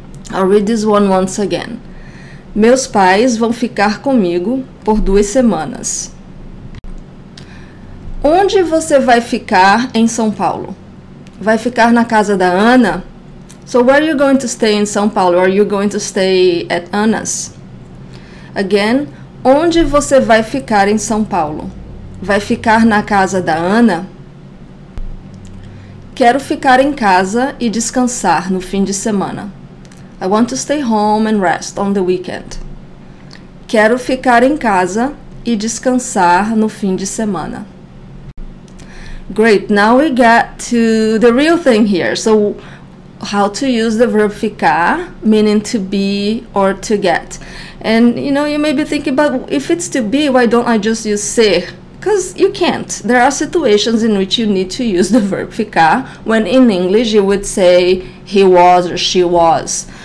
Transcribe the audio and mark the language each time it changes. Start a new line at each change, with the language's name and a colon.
English: I'll read this one once again.
Portuguese: Meus pais vão ficar comigo por 2 semanas. Onde você vai ficar em São Paulo? Vai ficar na casa da Ana?
English: So where are you going to stay in São Paulo? Are you going to stay at Ana's? Again,
Portuguese: onde você vai ficar em São Paulo? Vai ficar na casa da Ana? Quero ficar em casa e descansar no fim de semana.
English: I want to stay home and rest on the weekend.
Portuguese: Quero ficar em casa e descansar no fim de semana.
English: Great, now we get to the real thing here. So how to use the verb ficar, meaning to be or to get. And you know, you may be thinking, but if it's to be, why don't I just use ser? Because you can't. There are situations in which you need to use the verb ficar when in English you would say he was or she was.